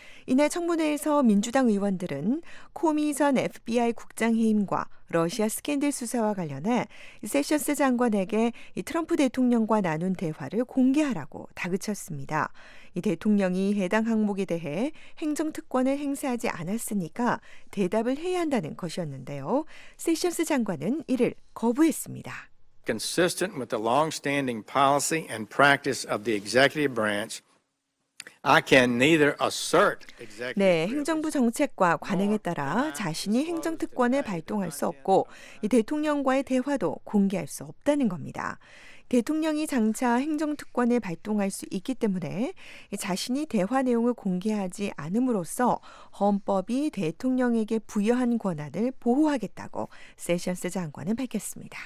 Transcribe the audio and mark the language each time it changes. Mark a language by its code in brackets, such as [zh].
[ko] 이날 청문회에서 민주당 의원들은 코미 전 FBI 국장 해임과 러시아 스캔들 수사와 관련해 세션스 장관에게 트럼프 대통령과 나눈 대화를 공개하라고 다그쳤습니다. 이 대통령이 해당 항목에 대해 행정특권을 행사하지 않았으니까 대답을 해야 한다는 것이었는데요. 세션스 장관은 이를 거부했습니다. [en] Consistent with the long-standing policy and practice of the executive branch, I can neither assert executive. [ko] 네, 행정부 정책과 관행에 따라 자신이 행정특권을 발동할 수 없고 이 대통령과의 대화도 공개할 수 없다는 겁니다. 대통령이 장차 행정특권에 발동할 수 있기 때문에 자신이 대화 내용을 공개하지 않음으로써 헌법이 대통령에게 부여한 권한을 보호하겠다고 세션스 장관은 밝혔습니다.